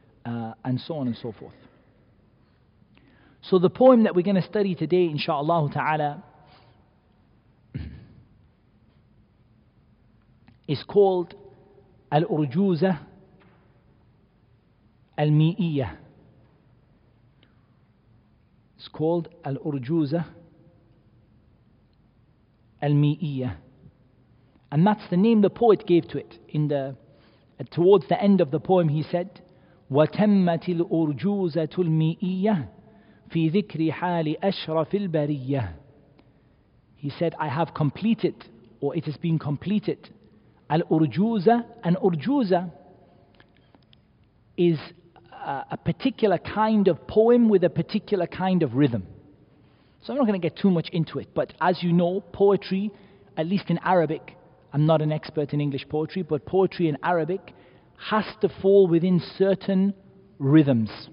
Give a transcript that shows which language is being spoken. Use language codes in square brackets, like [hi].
[en] And so on and so forth. So the poem that we're going to study today, inshallah ta'ala, is called Al-Urjuza Al-Mi'iyya. It's called Al-Urjuza Al-Mi'iyya. And that's the name the poet gave to it. Towards the end of the poem, he said, [ar] وتمت الأرجوزة المئية في ذكر حال أشرف البرية. [en] He said, I have completed, or it has been completed, al-urjuza. An urjuza is a particular kind of poem with a particular kind of rhythm. So I'm not going to get too much into it, but as you know, poetry, at least in Arabic, I'm not an expert in English poetry, but poetry in Arabic has to fall within certain rhythms.